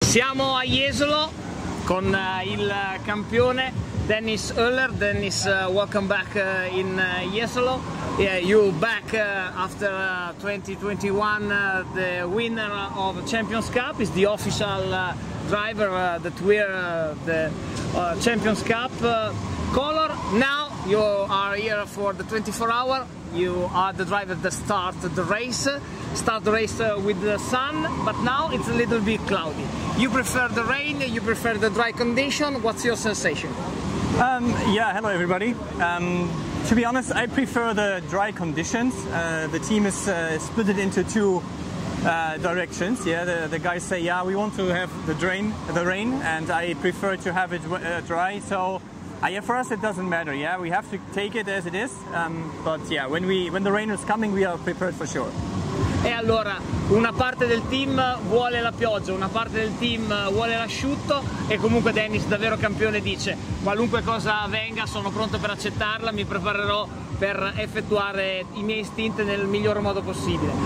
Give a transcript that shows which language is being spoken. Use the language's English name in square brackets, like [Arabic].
[Italian] Siamo a Jesolo con il campione Dennis Oehler. [English] Dennis, welcome back in Jesolo. Yeah, you back after 2021, the winner of Champions Cup is the official driver that wear the Champions Cup color. Now you are here for the 24 hour. You are the driver that start the race with the sun, but now it's a little bit cloudy. You prefer the rain, you prefer the dry condition. What's your sensation? Hello everybody. To be honest, I prefer the dry conditions. The team is split it into two directions. Yeah, the guys say, yeah, we want to have the rain, and I prefer to have it dry. So yeah, for us it doesn't matter. Yeah, we have to take it as it is. But yeah, when the rain is coming, we are prepared for sure. [Italian] E allora, una parte del team vuole la pioggia, una parte del team vuole l'asciutto, e comunque Dennis, davvero campione, dice: qualunque cosa venga, sono pronto per accettarla, mi preparerò per effettuare i miei stint nel miglior modo possibile.